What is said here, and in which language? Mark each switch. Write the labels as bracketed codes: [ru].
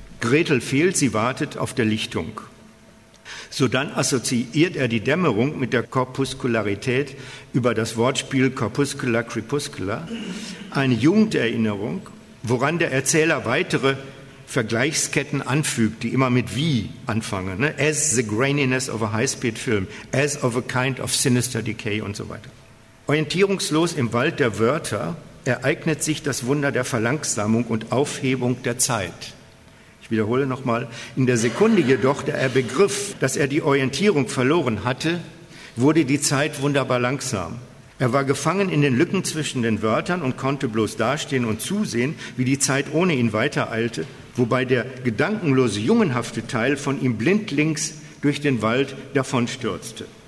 [de] Gretel fehlt, sie wartet auf der Lichtung. Sodann assoziiert er die Dämmerung mit der Korpuskularität über das Wortspiel Corpuscula Crepuscula, eine Jugenderinnerung, woran der Erzähler weitere Vergleichsketten anfügt, die immer mit wie anfangen, ne? [en] As the graininess of a high-speed film, as of a kind of sinister decay [de] und so weiter. Orientierungslos im Wald der Wörter ereignet sich das Wunder der Verlangsamung und Aufhebung der Zeit. Ich wiederhole nochmal, in der Sekunde jedoch, da er begriff, dass er die Orientierung verloren hatte, wurde die Zeit wunderbar langsam. Er war gefangen in den Lücken zwischen den Wörtern und konnte bloß dastehen und zusehen, wie die Zeit ohne ihn weitereilte, wobei der gedankenlose, jungenhafte Teil von ihm blindlings durch den Wald davonstürzte.